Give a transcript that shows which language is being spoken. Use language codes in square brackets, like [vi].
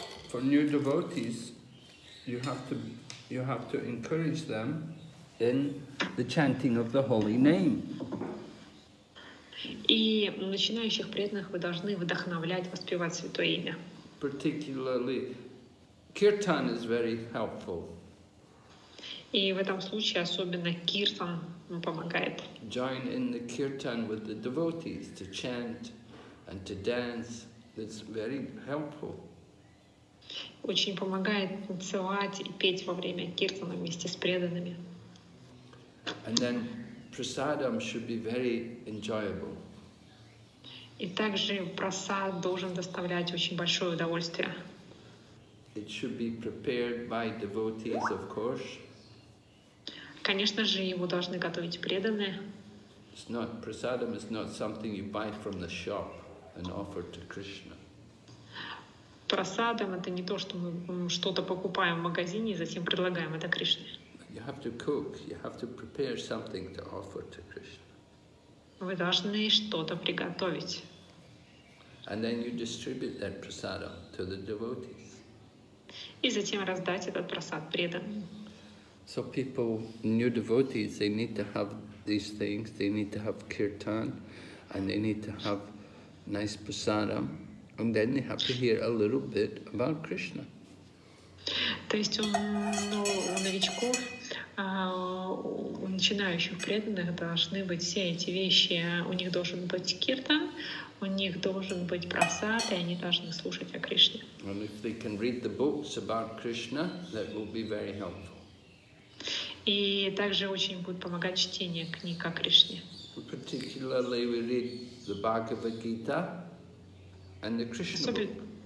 [en] For new devotees, you have to encourage them in the chanting of the holy name. [ru] И начинающих преданных вы должны вдохновлять, воспевать святое имя. [en] Particularly, kirtan is very helpful. [ru] И в этом случае особенно киртан помогает. [en] Join in the kirtan with the devotees to chant and to dance. It's very helpful. [ru] Очень помогает танцевать и петь во время киртана вместе с преданными. [en] And then prasadam should be very enjoyable. [ru] И также прасад должен доставлять очень большое удовольствие. [en] It should be prepared by devotees, of course. [ru] Конечно же, его должны готовить преданные. [en] It's not, prasadam is not something you buy from the shop and offer to Krishna. [ru] Prasadam — это не то, что мы что-то покупаем в магазине и затем предлагаем это Кришне. [en] You have to cook, you have to prepare something to offer to Krishna. [ru] Вы должны что-то приготовить. [en] And then you distribute that prasadam to the devotees. [ru] И затем раздать этот просад преданным. [en] So people, new devotees, they need to have these things, they need to have kirtan, and they need to have nice prasadam, and then they have to hear a little bit about Krishna. [ru] То есть у новичков, у начинающих преданных должны быть все эти вещи. У них должен быть киртан, у них должен быть просад, и они должны слушать о Кришне. [en] And if they can read the books about Krishna, that will be very helpful. [ru] И также очень будет помогать чтение книг о Кришне. [en] Particularly we read the Bhagavad Gita and the Krishna book.